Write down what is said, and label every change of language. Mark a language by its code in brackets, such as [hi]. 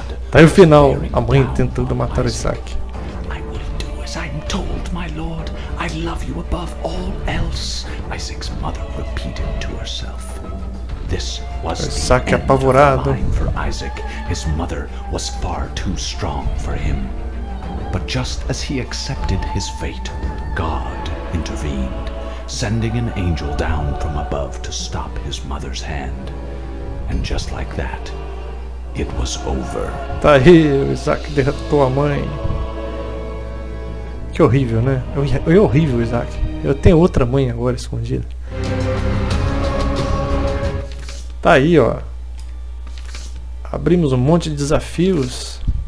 [pt] Tá aí o final, a mãe tentando matar Isaac. [en] I will do as I am told, my lord. I love you above all else. Isaac's mother repeated to herself. [pt] Isaac é apavorado. [en] Isaac, his mother was far too strong for him. But just as he accepted his fate, God intervened, sending an angel down from above to stop his mother's hand. And just like that, it was over. [pt] Tá aí, Isaac derrotou a mãe. Que horrível, né? É horrível, Isaac. Eu tenho outra mãe agora escondida. Tá aí, ó. Abrimos um monte de desafios.